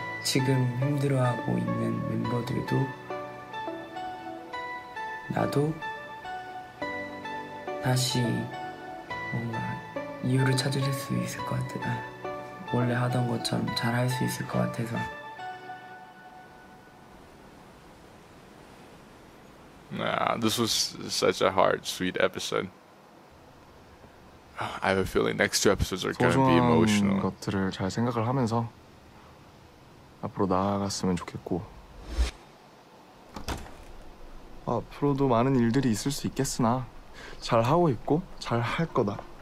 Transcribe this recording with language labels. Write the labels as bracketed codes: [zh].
[ko] 지금 힘들어하고 있는 멤버들도 나도 다시 뭔가 이유를 찾을 수 있을 것 같아. 원래 하던 것처럼 잘할 수 있을 것 같아서. [en] 아, this was such a heart, sweet episode. I have a feeling next two episodes are going to be emotional. [ko] 소중한 것들을 잘 생각을 하면서 앞으로 나아갔으면 좋겠고. 앞으로도 많은 일들이 있을 수 있겠으나 잘 하고 있고 잘 할 거다.